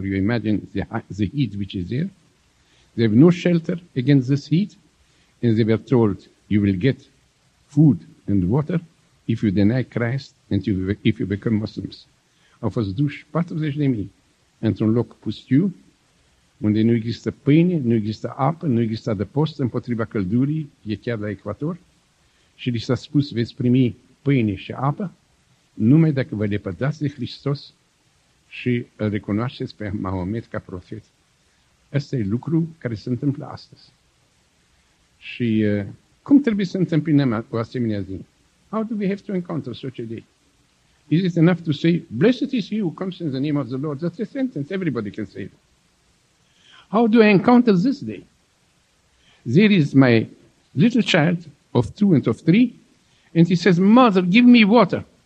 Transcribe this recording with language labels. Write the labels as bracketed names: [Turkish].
[English] You imagine the heat which is there. They have no shelter against this heat. And they were told, you will get food and water if you deny Christ and if you become Muslims. [Romanian] Au fost duși 40.000 într-un loc pustiu, unde nu există pâine, nu există apă, nu există adăpost împotriva căldurii, e chiar la ecuator. Și li s-a spus, veți primi pâine și apă, numai dacă vă lepădați de Hristos și îl recunoașteți pe Mahomet ca profet. Ăsta e lucru care se întâmplă astăzi. Și cum trebuie să întâmplinăm o asemenea zi? [English] How do we have to encounter such a day? Is it enough to say, blessed is he who comes in the name of the Lord? That's a sentence, everybody can say it. How do I encounter this day? There is my little child of 2 and of 3, and he says, Mother, give me water.